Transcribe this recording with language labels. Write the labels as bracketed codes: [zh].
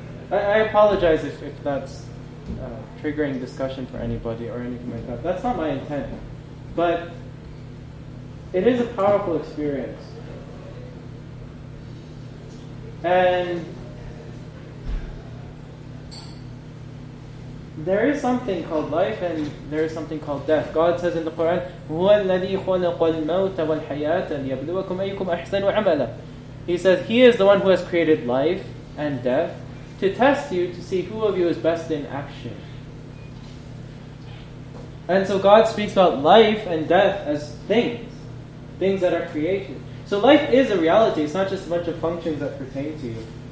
[en] I apologize if that's triggering discussion for anybody or anything like that. That's not my intent. But it is a powerful experience. And there is something called life and there is something called death. God says in the Quran, [ar] هُوَ الَّذِي خَلَقَ الْمَوْتَ وَالْحَيَاةَ لِيَبْلُوَكُمْ أَيُّكُمْ أَحْسَنُ عَمَلًا. [en] He says, He is the one who has created life and death to test you to see who of you is best in action. And so God speaks about life and death as things that are creation. So life is a reality, it's not just a bunch of functions that pertain to you.